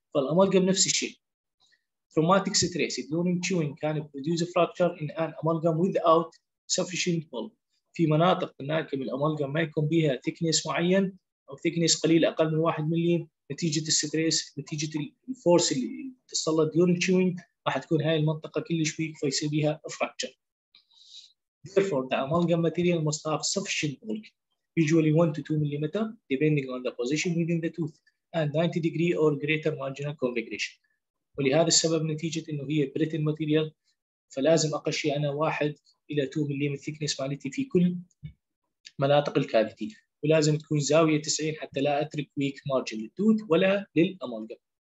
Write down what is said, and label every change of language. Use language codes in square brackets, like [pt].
[ar] فالأمالجم نفس الشيء. [en] Traumatic stress during chewing can produce a fracture in an amalgam without sufficient bulk. [ar] في مناطق الناكم الامالجام ما يكون بها ثيكنس معين او ثيكنس قليل اقل من 1 ملي، نتيجه الستريس نتيجه الفورس اللي تسلط ديون تشوينج راح تكون هاي المنطقه كلش ويك فيصير بها فراكشر. [en] Therefore the amalgam material must have sufficient bulk usually 1 to 2 ملم depending on the position within the tooth and 90 degree or greater marginal configuration. [ar] ولهذا السبب نتيجه انه هي brittle material فلازم اقل شيء انا 1 الى 2 ملم ثيكنس مالتي في كل مناطق الكافيتي، ولازم تكون زاويه 90 حتى لا اترك ويك مارجن للتوث ولا للامالجم.